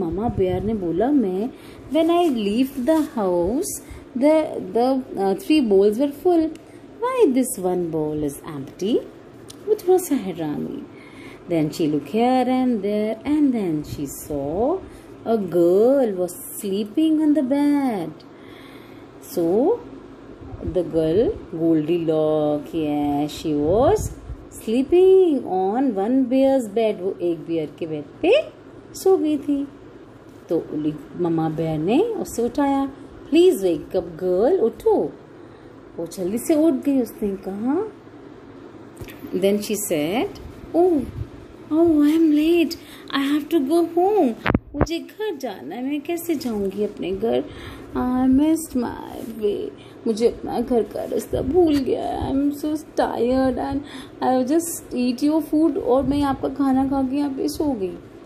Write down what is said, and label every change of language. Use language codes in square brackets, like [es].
[hi] मामा bear ने बोला मैं [en] When I leave the house the three bowls were full, why this one bowl is empty. [hi] वो थोड़ा सा हैरान हुई. [en] Then she look here and there and then she saw a girl was sleeping on the bed. So the girl Goldilocks, she was sleeping on one bear's bed. [hi] वो एक beer के bed पे सो गई थी. तो मम्मा बेयर ने उसे उठाया, [en] please wake up girl, [hi] उठो. वो जल्दी से उठ गई. उसने कहा, [en] then she said, oh I am late, I have to go home, [hi] मुझे घर जाना है, मैं कैसे जाऊंगी अपने घर, [en] I missed my way, [hi] मुझे अपना घर का रास्ता भूल गया, [en] I am so tired and I just eat your food, [hi] और मैं आपका खाना खा के यहाँ पे सो गई.